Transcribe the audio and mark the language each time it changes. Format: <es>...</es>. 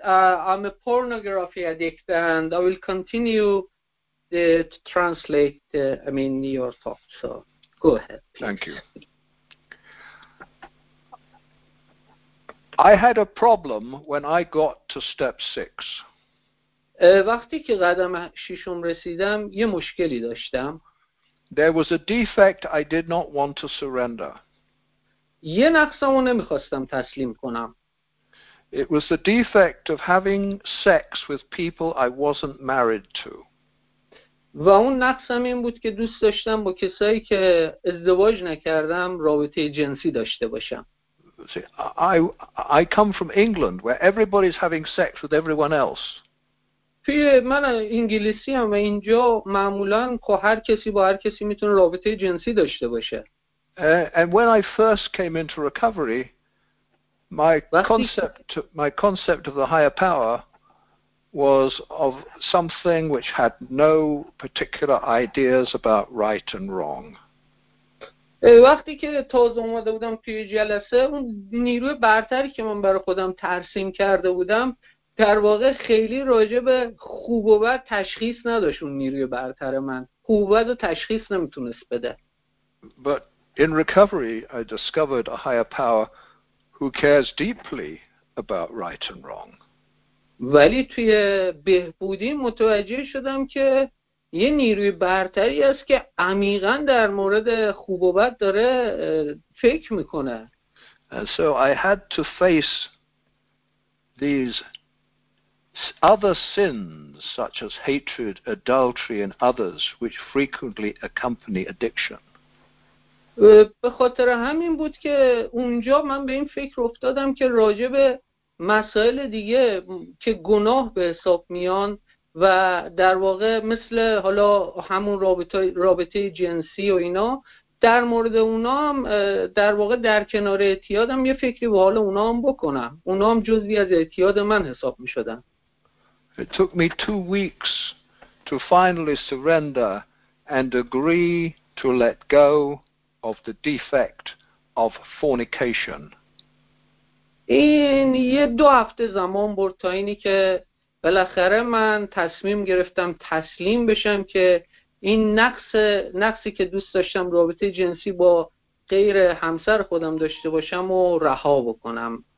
<en>I'm a pornography addict, and I will continue to translate your talk. So go ahead, please. Thank you. I had a problem when I got to step 6.</en> <fa>وقتی که قدم ششم رسیدم یه مشکلی داشتم.</fa> <en>There was a defect I did not want to surrender.</en> <fa>یه نقصمو نمیخواستم تسلیم کنم.</fa> <en>It was the defect of having sex with people I wasn't married to.</en> <fa>و اون نقصم این بود که دوست داشتم با کسایی که ازدواج نکردم رابطه جنسی داشته باشم.</fa> <en>See, I come from England where everybody's having sex with everyone else.</en> <fa>من انگلیسی ام و اینجا معمولا که هر کسی با هر کسی میتونه رابطه جنسی داشته باشه.</fa> <en>And when I first came into recovery, my concept of the higher power was of something which had no particular ideas about right and wrong.</en> <fa>وقتی که تازه اومده بودم توی جلسه، اون نیروی برتری که من برای خودم ترسیم کرده بودم در واقع خیلی راجع به خوب و بد تشخیص نداشت. اون نیروی برتر من خوب و بد رو تشخیص نمیتونست بده.</fa> <en>But in recovery I discovered a higher power who cares deeply about right and wrong.</en> <fa>ولی توی بهبودی متوجه شدم که یه نیروی برتری است که عمیقاً در مورد خوب و بد داره فکر میکنه.</fa> <en>And so I had to face these other sins such as hatred, adultery and others which frequently accompany addiction.</en> <fa>به خاطر همین بود که اونجا من به این فکر افتادم که راجع به مسائل دیگه که گناه به حساب میان و در واقع مثل حالا همون رابطه جنسی و اینا در مورد اونا هم در واقع در کنار اعتیادم یه فکری به حال اونا هم بکنم. اونا هم جزوی از اعتیاد من حساب می شدن.</fa> <en>It took me 2 weeks to finally surrender and agree to let go of the defect of fornication.</en> <fa>این یه 2 هفته زمان برد تا اینی که بالاخره من تصمیم گرفتم تسلیم بشم که این نقصی که دوست داشتم رابطه جنسی با غیر همسر خودم داشته باشم و رها بکنم.</fa>